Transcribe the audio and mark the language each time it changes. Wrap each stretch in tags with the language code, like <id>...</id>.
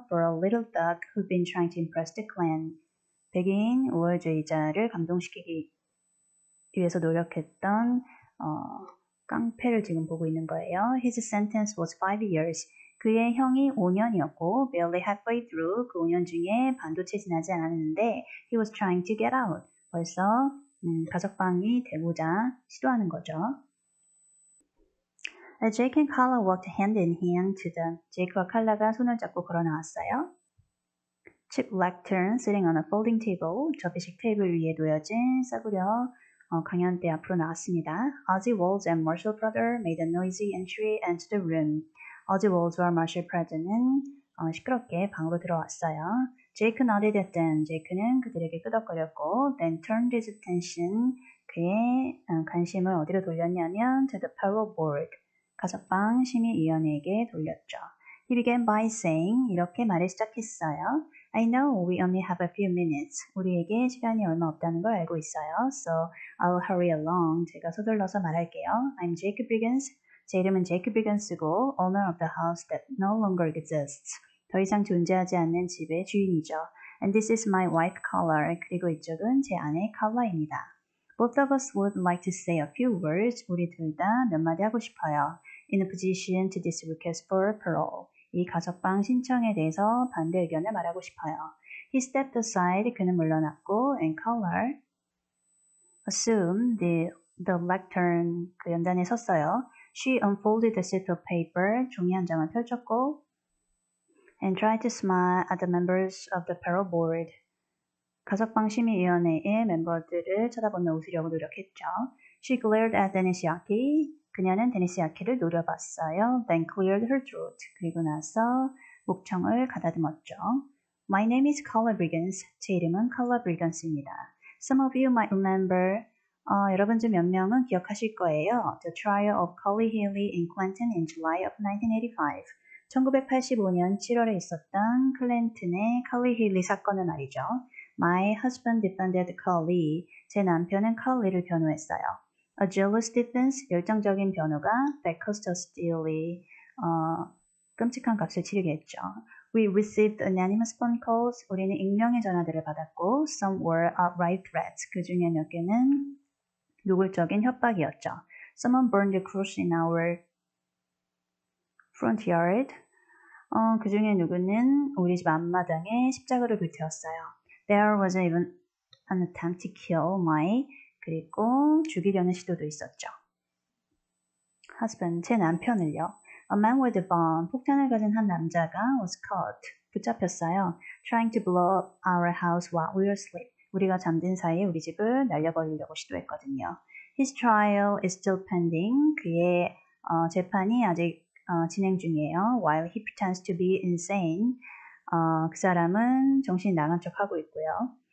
<en>For a little thug who'd been trying to impress the clan.</en> <ko>백인 우월주의자를 감동시키기 위해서 노력했던 깡패를 지금 보고 있는 거예요.</ko> <en>His sentence was 5 years.</en> <ko>그의 형이 5년이었고</ko> <en>barely halfway through,</en> <ko>그 5년 중에 반도 채 지나지 않았는데</ko> <en>he was trying to get out.</en> <ko>벌써 가석방이 되고자 시도하는 거죠.</ko> <en>Jake and Carla walked hand in hand to them.</en> <ko>Jake와 칼라가 손을 잡고 걸어 나왔어요.</ko> <en>Chip Lectern sitting on a folding table.</en> <ko>접이식 테이블 위에 놓여진 싸구려 강연대 앞으로 나왔습니다.</ko> <en>Ozzie Walls and Marshall Prather made a noisy entry into the room.</en> <ko>Ozzie Walls와 Marshall Prather는 시끄럽게 방으로 들어왔어요.</ko> <en>Jake nodded at them.</en> <ko>Jake는 그들에게 끄덕거렸고</ko> <en>then turned his attention,</en> <ko>그의 관심을 어디로 돌렸냐면</ko> <en>to the parole board.</en> <ko>가석방 심의위원회에게 돌렸죠.</ko> <en>He began by saying,</en> <ko>이렇게 말을 시작했어요.</ko> <en>I know we only have a few minutes.</en> <ko>우리에게 시간이 얼마 없다는 걸 알고 있어요.</ko> <en>So I'll hurry along.</en> <ko>제가 서둘러서 말할게요.</ko> <en>I'm Jacob Briggins.</en> <ko>제 이름은 Jacob Briggins고</ko> <en>owner of the house that no longer exists.</en> <ko>더 이상 존재하지 않는 집의 주인이죠.</ko> <en>And this is my wife, Carla.</en> <ko>그리고 이쪽은 제 아내, Carla입니다.</ko> <en>Both of us would like to say a few words.</en> <ko>우리 둘 다 몇 마디 하고 싶어요.</ko> <en>In a position to this request for parole.</en> <ko>이 가석방 신청에 대해서 반대 의견을 말하고 싶어요.</ko> <en>He stepped aside.</en> <ko>그는 물러났고</ko> <en>and Collar assumed the lectern.</en> <ko>그 연단에 섰어요.</ko> <en>She unfolded the slip of paper.</en> <ko>종이 한 장을 펼쳤고</ko> <en>and tried to smile at the members of the parole board.</en> <ko>가석방 심의위원회의 멤버들을 쳐다보며 웃으려고 노력했죠.</ko> <en>She glared at Dennis Yaki.</en> <ko>그녀는 데니스 야키를 노려봤어요.</ko> <en>Then cleared her throat.</en> <ko>그리고 나서 목청을 가다듬었죠.</ko> <en>My name is Carla Briggins.</en> <ko>제 이름은 Carla Briggins입니다.</ko> <en>Some of you might remember.</en> <ko>여러분 중 몇 명은 기억하실 거예요.</ko> <en>The trial of Collie Haley in Clinton in July of 1985.</en> <ko>1985년 7월에 있었던 클랜튼의 Collie Haley 사건을 말이죠.</ko> <en>My husband defended Collie.</en> <ko>제 남편은 Collie를 변호했어요.</ko> <en>A jealous defense,</en> <ko>열정적인 변호가</ko> <en>that cost us dearly,</en> <ko>끔찍한 값을 치르게 했죠.</ko> <en>We received anonymous phone calls,</en> <ko>우리는 익명의 전화들을 받았고,</ko> <en>some were outright threats,</en> <ko>그 중에 몇 개는 노골적인 협박이었죠.</ko> <en>Someone burned a cross in our front yard,</en> <ko>그 중에 누구는 우리 집 앞마당에 십자가를 불태웠어요.</ko> <en>There was even an attempt to kill my</en> <ko>그리고 죽이려는 시도도 있었죠.</ko> <en>Husband,</en> <ko>제 남편을요.</ko> <en>A man with a bomb,</en> <ko>폭탄을 가진 한 남자가</ko> <en>was caught,</en> <ko>붙잡혔어요.</ko> <en>Trying to blow up our house while we were asleep.</en> <ko>우리가 잠든 사이에 우리 집을 날려버리려고 시도했거든요.</ko> <en>His trial is still pending.</en> <ko>그의 재판이 아직 진행 중이에요.</ko> <en>While he pretends to be insane.</en> <ko>그 사람은 정신이 나간 척 하고 있고요.</ko>